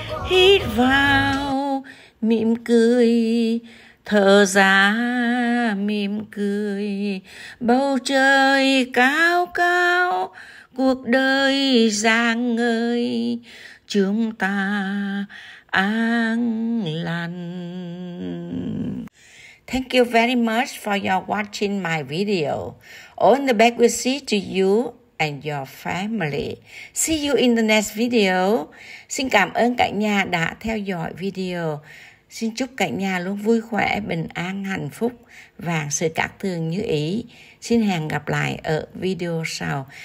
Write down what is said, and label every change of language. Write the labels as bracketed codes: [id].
[vi] Hít vào mỉm cười. Thở ra mỉm cười. Bầu trời cao cao. Cuộc đời giang ngời, chúng ta an lành. [en] Thank you very much for your watching my video. All the best wishes to you and your family. See you in the next video. [vi] Xin cảm ơn cả nhà đã theo dõi video. Xin chúc cả nhà luôn vui khỏe, bình an, hạnh phúc và sự cát tường như ý. Xin hẹn gặp lại ở video sau.